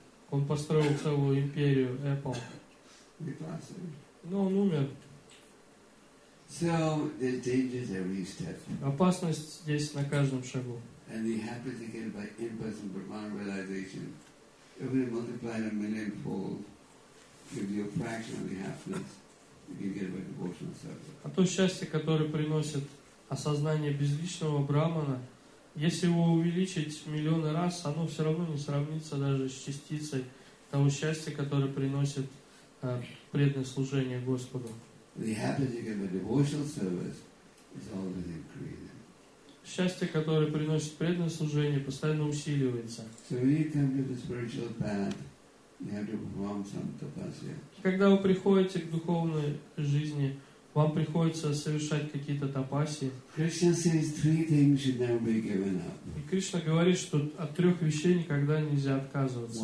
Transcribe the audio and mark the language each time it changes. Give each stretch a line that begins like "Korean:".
Russian: Он построил целую империю Apple. Но он умер.
English: So there's dangers every step.
Russian: Опасность здесь на каждом шагу.
English: And the happiness again by impersonal Brahman realization, if we multiply a million fold, give you a fraction of the happiness you can get by devotional service.
Russian: А то счастье, которое приносит осознание безличного брахмана, если его увеличить миллионы раз, оно все равно не сравнится даже с частицей того счастья, которое приносит преданное служение Господу.
English: The happiness you get by devotional service is always increasing.
Russian: Счастье, которое приносит преданное служение, постоянно усиливается.
English: So when you come to the spiritual path, you have to perform some tapasya.
Russian: Когда вы приходите к духовной жизни, вам приходится совершать какие-то тапаси.
English: Krishna says three things should never be given up.
Russian: И Кришна говорит, что от трех вещей никогда нельзя отказываться.